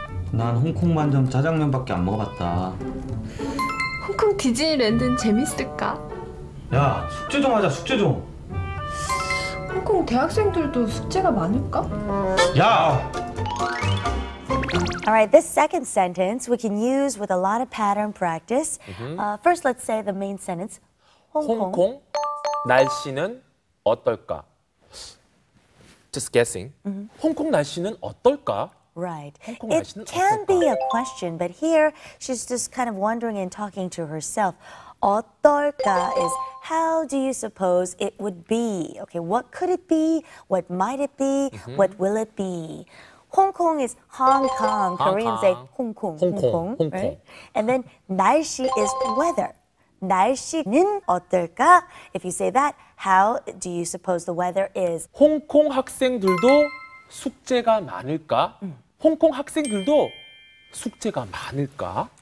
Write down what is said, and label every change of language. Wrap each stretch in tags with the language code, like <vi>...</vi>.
<ko>난 홍콩 만점 짜장면밖에 안 먹어봤다. 홍콩 디즈니랜드는 재밌을까? 야, 숙제 좀 하자, 숙제 좀. 홍콩 대학생들도 숙제가 많을까? 야!</ko> <en>All right, this second sentence we can use with a lot of pattern practice. Mm-hmm. First, let's say the main sentence.</en> <ko>홍콩 날씨는 어떨까?</ko> <en>Just guessing.</en> <ko>Mm-hmm. 홍콩 날씨는 어떨까?</ko> <en>Right. It can be a question, but here she's just kind of wondering and talking to herself. 어떨까 is how do you suppose it would be? Okay, what could it be? What might it be? Mm-hmm. What will it be? Hong Kong is Hong Kong. Hong Koreans Kong. Say Hong Kong. Hong Kong. Hong Kong, Hong Kong. Right? And then 날씨 is weather.</en> <ko>날씨는 어떨까?</ko> <en>If you say that, how do you suppose the weather is?</en> <ko>홍콩 학생들도 숙제가 많을까? 홍콩 학생들도 숙제가 많을까?</ko>